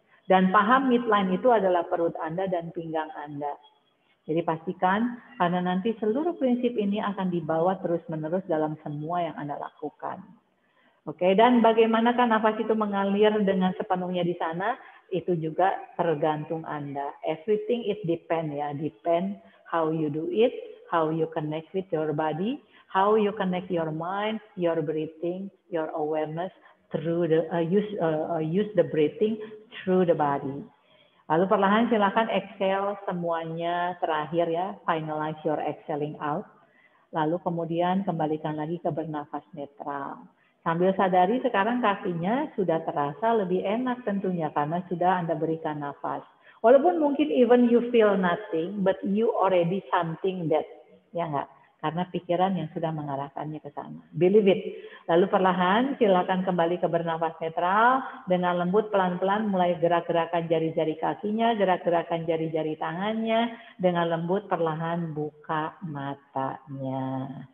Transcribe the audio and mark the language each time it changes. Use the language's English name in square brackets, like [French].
[Indonesian] Dan paham midline itu adalah perut Anda dan pinggang Anda. Jadi pastikan, karena nanti seluruh prinsip ini akan dibawa terus-menerus dalam semua yang Anda lakukan. Oke, dan bagaimana kan nafas itu mengalir dengan sepenuhnya di sana, itu juga tergantung Anda. [English] Everything it depend ya, depend how you do it, how you connect with your body, how you connect your mind, your breathing, your awareness through the use the breathing through the body. [Indonesian] Lalu perlahan silakan exhale semuanya terakhir ya, [English] finalize your exhaling out. [Indonesian] Lalu kemudian kembalikan lagi ke bernafas netral. Sambil sadari sekarang kakinya sudah terasa lebih enak tentunya karena sudah Anda berikan nafas. Walaupun mungkin [English] even you feel nothing, but you already something that, [Indonesian] ya enggak? Karena pikiran yang sudah mengarahkannya ke sana. [English] Believe it. [Indonesian] Lalu perlahan silakan kembali ke bernafas netral. Dengan lembut pelan-pelan mulai gerak-gerakan jari-jari kakinya, gerak-gerakan jari-jari tangannya. Dengan lembut perlahan buka matanya.